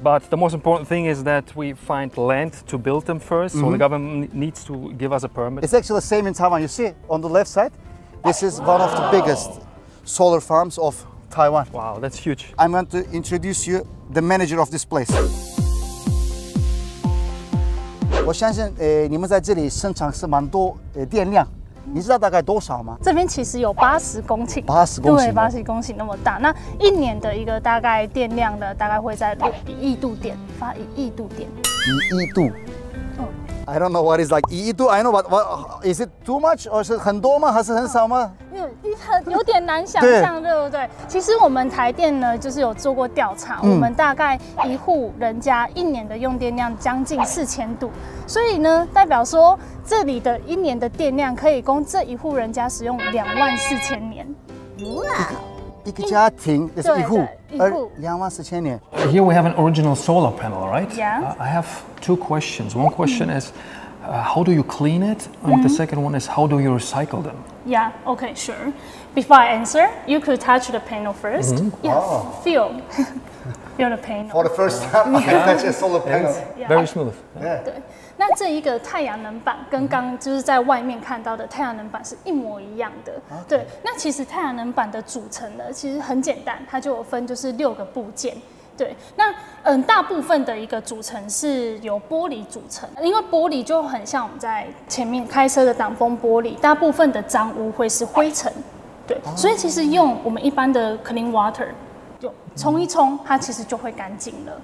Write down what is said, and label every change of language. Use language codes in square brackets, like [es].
[en] But the most important thing is that we find land to build them first. So the government needs to give us a permit. It's actually the same in Taiwan. You see, on the left side, this is one of the biggest solar farms of Taiwan. Wow, that's huge. I'm going to introduce you the manager of this place. [zh] 我相信，你们在这里生产是蛮多电量，你知道大概多少吗？这边其实有80公顷， 80公顷，对，80公顷那么大。那一年的一个大概电量的大概会在1亿度电，发1亿度电。 [en] 1亿度？I don't know what is like 1亿度。 I know what is it too much or [zh] 是很多吗？还是很少吗？有点难想象，对不对？其实我们台电呢，就是有做过调查，我们大概一户人家一年的用电量将近4000度，所以呢，代表说这里的一年的电量可以供这一户人家使用24000年。哇！一个家庭就是一户，而 24000年。 [en] Here we have an original solar panel, right? Yeah. I have two questions. One question is, how do you clean it? And the second one is, how do you recycle them? Yeah, okay, sure. Before I answer, you could touch the panel first. Feel. Feel the panel. For the first time, I touch a solar panel. Yeah. Very smooth. Yeah. [zh] 对，那这一个太阳能板跟刚就是在外面看到的太阳能板是一模一样的。对，那其实太阳能板的组成呢，其实很简单，它就有分就是6个部件。对，那大部分的一个组成是由玻璃组成，因为玻璃就很像我们在前面开车的挡风玻璃，大部分的脏污会是灰尘，对，所以其实用我们一般的 clean water 就冲一冲，它其实就会干净了。